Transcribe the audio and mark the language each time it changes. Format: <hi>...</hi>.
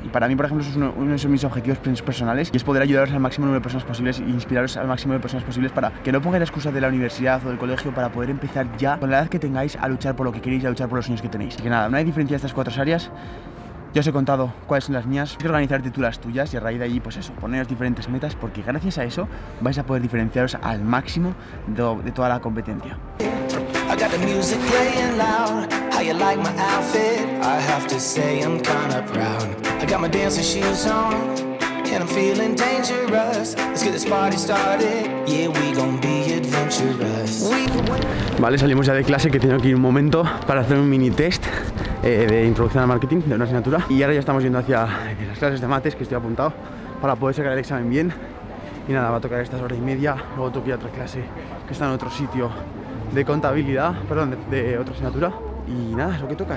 <es>Y para mí, por ejemplo, eso es uno de mis objetivos personales y es poder ayudaros al máximo número de personas posibles e inspiraros al máximo de personas posibles para que no pongáis la excusa de la universidad o del colegio para poder empezar ya, con la edad que tengáis, a luchar por lo que queréis y a luchar por los sueños que tenéis. Así que nada, una vez diferenciadas estas cuatro áreas, Ya os he contado cuáles son las mías. Quiero organizar titulas tuyas y a raíz de ahí, pues eso, poneros diferentes metas, porque gracias a eso vais a poder diferenciaros al máximo de toda la competencia.</es> <en>I got the music playing loud. How you like my outfit? I have to say I'm kinda proud. I got my dancing shoes on and I'm feeling dangerous. Let's get this party started. Yeah, we gon' be adventurous.</en> <es>Vale, salimos ya de clase, que tengo que ir un momento para hacer un mini test de introducción al marketing, de una asignatura. Y ahora ya estamos yendo hacia las clases de mates, que estoy apuntado para poder sacar el examen bien. Y nada, va a tocar estas horas y media. Luego tengo que ir a otra clase que está en otro sitio de contabilidad, perdón, de otra asignatura. Y nada, es lo que toca.</es>